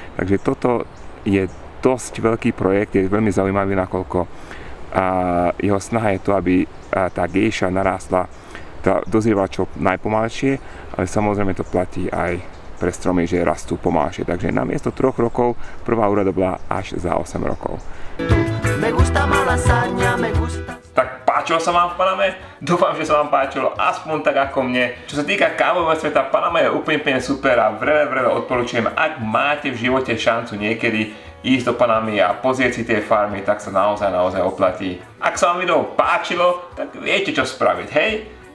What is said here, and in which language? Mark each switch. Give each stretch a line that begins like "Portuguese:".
Slovak: Takže toto je dosť veľký projekt, je veľmi zaujímavý, nakoľko jeho snaha je to, aby tá gejša narástla, tá dozrievala čo najpomalšie, ale samozrejme to platí aj pre stromy, že rastú pomalšie. Takže namiesto 3 rokov, prvá úroda bola až za 8 rokov.
Spanish: Me gusta malasaña, me gusta...
Slovak: Tak páč! páčilo sa vám v Paname? Dúfam, že sa vám páčilo aspoň tak ako mne. Čo sa týka kávového sveta, Panama je úplne super a vrele odporúčujem, ak máte v živote šancu niekedy ísť do Panamy a pozrieť si tie farmy, tak sa naozaj oplatí. Ak sa vám video páčilo, tak viete čo spraviť, hej?